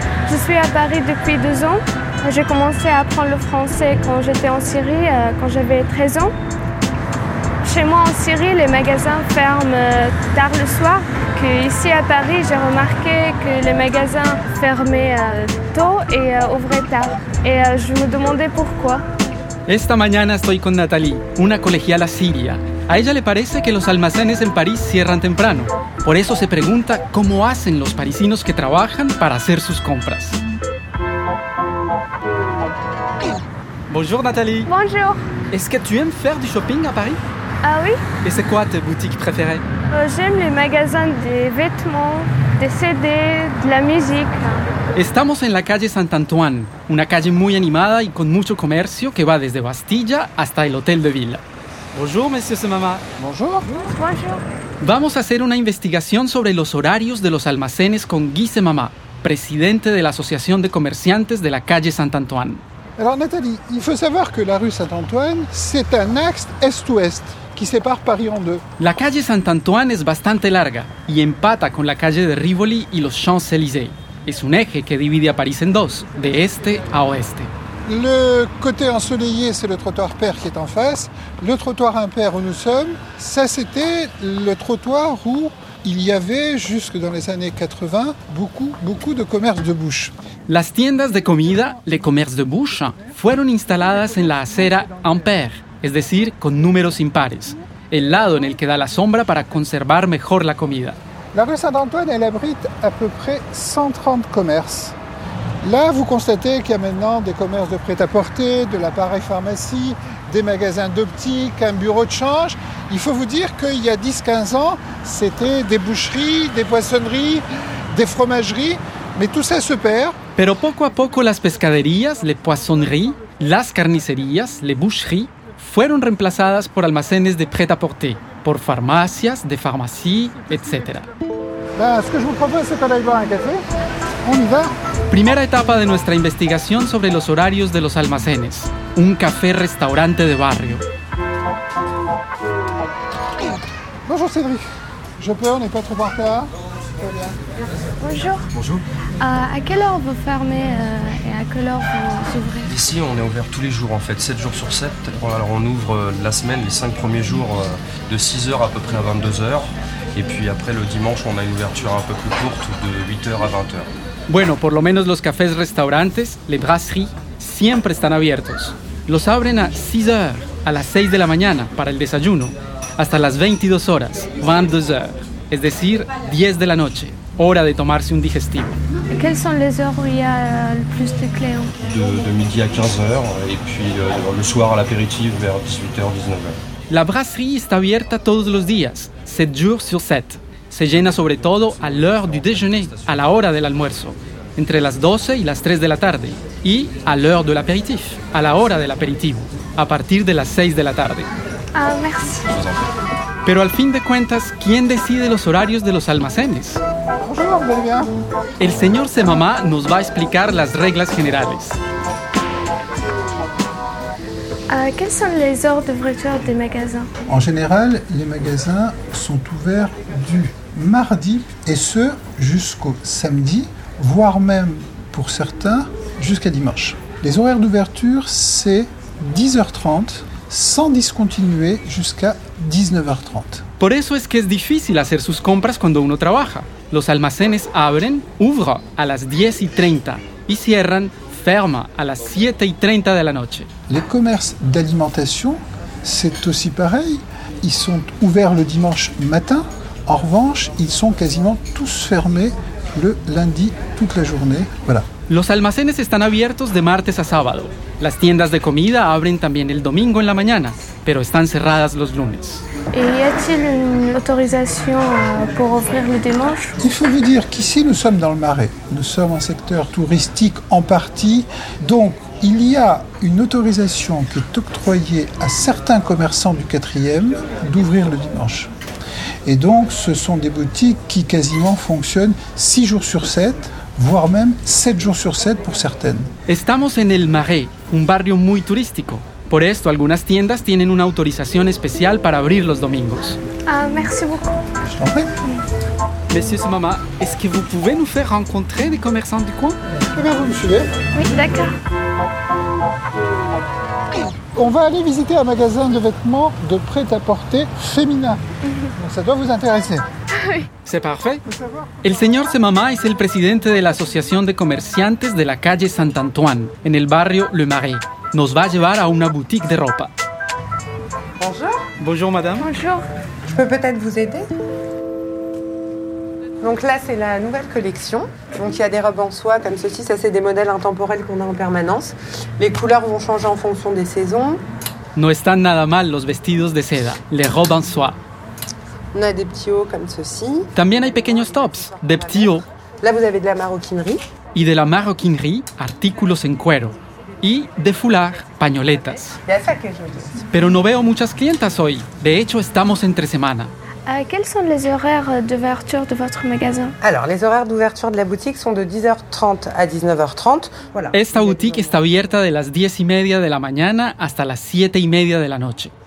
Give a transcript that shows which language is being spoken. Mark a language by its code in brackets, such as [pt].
[fr] Je suis à Paris depuis 2 ans. J'ai commencé à apprendre le français quand j'étais en Syrie, quand j'avais 13 ans. Chez moi en Syrie, les magasins ferment tard le soir. Ici à Paris, j'ai remarqué que les magasins fermaient tôt et ouvraient tard. Et je me demandais pourquoi. [es] Esta mañana estoy con Nathalie, una colegiala siria. A ella le parece que los almacenes en París cierran temprano. Por eso se pregunta cómo hacen los parisinos que trabajan para hacer sus compras. [fr] Bonjour Nathalie. Bonjour. Est-ce que tu aimes faire du shopping à Paris? Ah oui. Et c'est quoi tes boutiques préférées? J'aime les magasins des vêtements, des CD, de la musique. [es] Estamos en la calle Saint-Antoine, una calle muy animada y con mucho comercio que va desde Bastilla hasta el Hôtel de Ville. [fr] Bonjour, Monsieur Semama. Bonjour. Bonjour. [es] Vamos a hacer una investigación sobre los horarios de los almacenes con Guy Semama, presidente de la Asociación de Comerciantes de la calle Saint-Antoine. [fr] Alors Nathalie, il faut savoir que la rue Saint-Antoine, c'est un axe est-ouest qui sépare Paris en deux. [es] La calle Saint-Antoine est bastante larga y empata con la calle de Rivoli y los Champs-Élysées. Es un eje que divide a Paris en dos, de este a oeste. [fr] Le côté ensoleillé, c'est le trottoir pair qui est en face. Le trottoir impair où nous sommes, ça c'était le trottoir où il y avait, jusque dans les années 80, beaucoup, beaucoup de commerces de bouche. [es] Las tiendas de comida, [fr] les commerces de bouche, [es] fueron instaladas en la acera impair, es decir, con números impares, el lado en el que da la sombra para conservar mejor la comida. [fr] La rue Saint-Antoine, elle abrite à peu près 130 commerces. Là, vous constatez qu'il y a maintenant des commerces de prêt-à-porter, de l'appareil pharmacie, des magasins d'optique, un bureau de change. Il faut vous dire qu'il y a 10-15 ans, c'était des boucheries, des poissonneries, des fromageries, mais tout ça se perd. [es] Pero poco a poco las pescaderías, [fr] les poissonneries, [es] las carnicerías, [fr] les boucheries [es] fueron reemplazadas por almacenes de prêt-à-porter, por farmacias, [fr] de pharmacie, [es] etc. [fr] Ben, ce que je vous propose, c'est qu'on aille boire un café. On y va. [es] Primera etapa de nuestra investigación sobre los horarios de los almacenes. Un café-restaurante de barrio. [fr] Bonjour Cédric. Je peux, on n'est pas trop en retard. Bonjour. Bonjour. À quelle heure vous fermez et à quelle heure vous ouvrez? Ici, on est ouvert tous les jours en fait, 7 jours sur 7. Alors on ouvre la semaine, les 5 premiers jours, de 6h à peu près à 22h. Et puis après le dimanche, on a une ouverture un peu plus courte, de 8h à 20h. [es] Bueno, por lo menos los cafés restaurantes, [fr] les brasseries, [es] siempre están abiertos. Los abren a 6h, a las 6 de la mañana, para el desayuno, hasta las 22 horas, [fr] 22 heures, [es] es decir, 10 de la noche, hora de tomarse un digestivo. [fr] ¿Quelles sont les heures où il y a le plus de clients? De midi à 15h, et puis le soir à l'apéritif vers 18h, 19h. [es] La brasserie está abierta todos los días, [fr] 7 jours sur 7. [es] Se llena sobre todo a [fr] l'heure du déjeuner, [es] a la hora del almuerzo, entre las 12 y las 3 de la tarde, y a [fr] l'heure de l'apéritif, [es] a la hora del aperitivo, a partir de las 6 de la tarde. [fr] Ah, merci. [es] Pero al fin de cuentas, ¿quién decide los horarios de los almacenes? [fr] Bonjour, bien, bien. [es] El señor Semama nos va a explicar las reglas generales. [fr] Quelles sont les heures d'ouverture des magasins? En général, les magasins sont ouverts du mardi et ce jusqu'au samedi, voire même pour certains jusqu'à dimanche. Les horaires d'ouverture, c'est 10h30 sans discontinuer jusqu'à 19h30. [es] Por eso es que es difícil hacer sus compras cuando uno trabaja. Los almacenes [fr] ouvrent à [es] las 10h30 y cierran. [fr] Ferme à la 7h30 de la noche. Les commerces d'alimentation, c'est aussi pareil. Ils sont ouverts le dimanche matin. En revanche, ils sont quasiment tous fermés le lundi toute la journée. Voilà. [es] Los almacenes están abiertos de martes a sábado. Las tiendas de comida abren también el domingo en la mañana, pero están cerradas los lunes. [fr] Et y a-t-il une autorisation pour ouvrir le dimanche? Il faut vous dire qu'ici nous sommes dans le Marais. Nous sommes un secteur touristique en partie. Donc il y a une autorisation qui est octroyée à certains commerçants du 4e d'ouvrir le dimanche. Et donc ce sont des boutiques qui quasiment fonctionnent 6 jours sur 7, voire même 7 jours sur 7 pour certaines. [es] Estamos en el Marais, un barrio muy turístico. Por esto, algunas tiendas tienen una autorización especial para abrir los domingos. [fr] Merci beaucoup. Je t'en prie. Monsieur et maman, est-ce que vous pouvez nous faire rencontrer des commerçants du coin? Eh bien, vous me suivez. Oui, d'accord. On va aller visiter un magasin de vêtements de prêt-à-porter féminin. Mm-hmm. Ça doit vous intéresser. C'est parfait. [es] El señor Semamá es el presidente de la Asociación de Comerciantes de la calle Saint-Antoine, en el barrio Le Marais. Nos va a llevar a una boutique de ropa. [fr] Bonjour. Bonjour, madame. Bonjour. Je peux peut-être vous aider? Donc là, c'est la nouvelle collection. Donc il y a des robes en soie comme ceci. Ça, c'est des modèles intemporels qu'on a en permanence. Les couleurs vont changer en fonction des saisons. [es] No están nada mal los vestidos de seda, [fr] les robes en soie. On a des petits hauts comme ceci. [es] También hay pequeños tops, [fr] des petits hauts. Là, vous avez de la maroquinerie. [es] Y de la maroquinerie, artículos en cuero. Y de foulard, pañoletas. Pero no veo muchas clientas hoy. De hecho, estamos entre semana. [fr] Quels sont les horaires d'ouverture de votre magasin? Alors, les horaires d'ouverture de la boutique sont de 10h30 à 19h30. Voilà. [es] Esta boutique está abierta de las 10:30 de la mañana hasta las 7:30 de la noche.